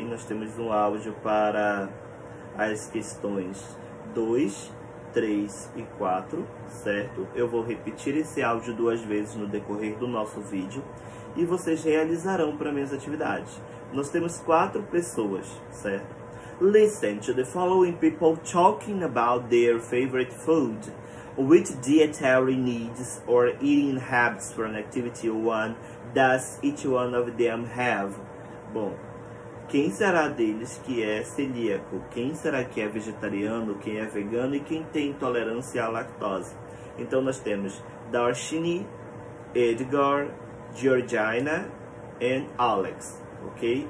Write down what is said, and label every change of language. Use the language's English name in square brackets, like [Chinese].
[Portuguese] Nós temos um áudio para as questões 2, 3 e 4, certo? Eu vou repetir esse áudio duas vezes no decorrer do nosso vídeo e vocês realizarão para minhas atividades. Nós temos quatro pessoas, certo? [English] Listen to the following people talking about their favorite food. Which dietary needs or eating habits for an activity one does each one of them have? [Portuguese] Bom, quem será deles que é celíaco? Quem será que é vegetariano, quem é vegano e quem tem intolerância à lactose? Então, nós temos Darshini, Edgar, Georgina e Alex, ok?